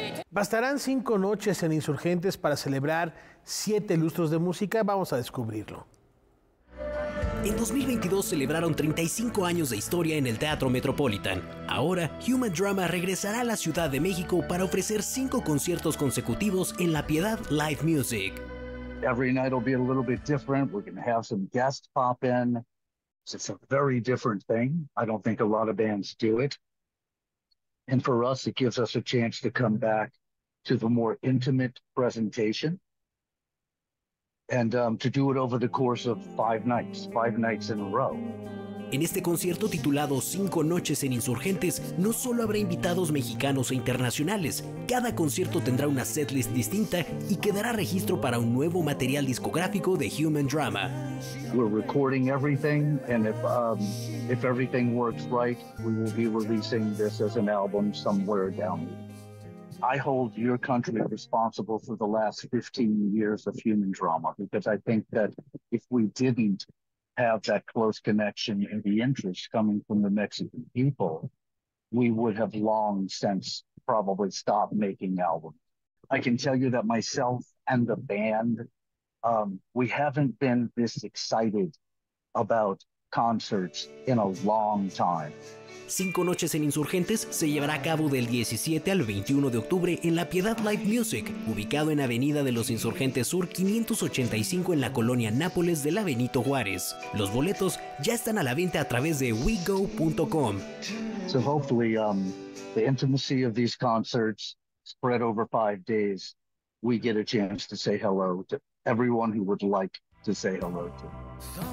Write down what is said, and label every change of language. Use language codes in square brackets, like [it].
[es] ¿Bastarán 5 noches en Insurgentes para celebrar 7 lustros de música? Vamos a descubrirlo. En 2022 celebraron 35 años de historia en el Teatro Metropolitan. Ahora, Human Drama regresará a la Ciudad de México para ofrecer 5 conciertos consecutivos en La Piedad Live Music. [en] Every night will be a little bit different. We're going to have some guests pop in. It's a very different thing. I don't think a lot of bands do it. And for us, it gives us a chance to come back to the more intimate presentation. And to do it over the course of 5 nights in a row. [es] En este concierto titulado Cinco Noches en Insurgentes, no solo habrá invitados mexicanos e internacionales, cada concierto tendrá una setlist distinta y quedará registro para un nuevo material discográfico de Human Drama. [en] We're recording everything, and if everything works right, we will be releasing this as an album somewhere down the road. I hold your country responsible for the last 15 years of Human Drama, because I think that if we didn't have that close connection and the interest coming from the Mexican people, we would have long since probably stopped making albums. I can tell you that myself and the band, we haven't been this excited about concerts in a long time. [es] Cinco Noches en Insurgentes se llevará a cabo del 17 al 21 de octubre en La Piedad Live Music, ubicado en Avenida de los Insurgentes Sur 585 en la colonia Nápoles de la Benito Juárez. Los boletos ya están a la venta a través de wego.com. [en] So hopefully the intimacy of these concerts spread over 5 days, we get a chance to say hello to everyone who would like to say hello to.